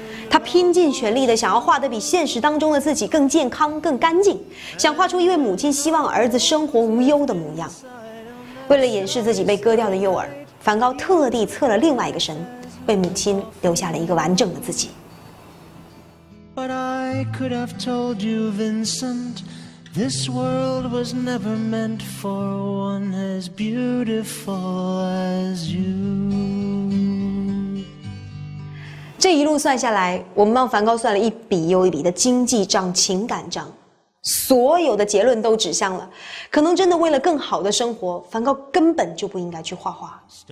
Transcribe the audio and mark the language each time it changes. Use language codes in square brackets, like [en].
[zh] 他拼尽全力地想要画得比现实当中的自己更健康更干净，想画出一位母亲希望儿子生活无忧的模样。为了掩饰自己被割掉的右耳，梵高特地侧了另外一个身，为母亲留下了一个完整的自己。 [en] But I could have told you, Vincent, this world was never meant for one as beautiful as you. [zh] 这一路算下来，我们帮梵高算了一笔又一笔的经济账、情感账。所有的结论都指向了，可能真的为了更好的生活，梵高根本就不应该去画画。